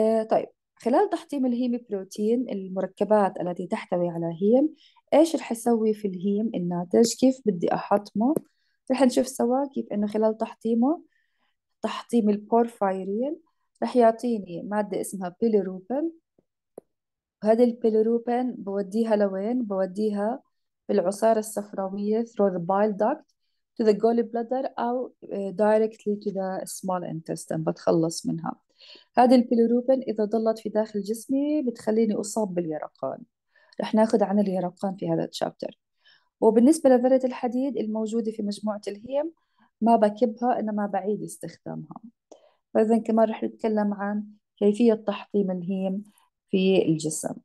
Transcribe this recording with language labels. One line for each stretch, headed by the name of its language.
Arabic: طيب، خلال تحطيم الهيم بروتين المركبات التي تحتوي على هيم، ايش رح اسوي في الهيم الناتج؟ كيف بدي احطمه؟ رح نشوف سوا كيف انه خلال تحطيم البورفايرين رح يعطيني مادة اسمها بيليروبين. وهذه البيليروبين بوديها لوين؟ بوديها في العصارة الصفراوية
English: through the bile duct to the gallbladder
Arabic: أو
English: directly to the small intestine،
Arabic: بتخلص منها. هذه البيليروبين إذا ظلت في داخل جسمي بتخليني أصاب باليرقان. رح ناخذ عن اليرقان في هذا الشابتر. وبالنسبة لذرة الحديد الموجودة في مجموعة الهيم، ما بكبها إنما بعيد استخدامها. فإذا كمان رح نتكلم عن كيفية تحطيم الهيم في الجسم.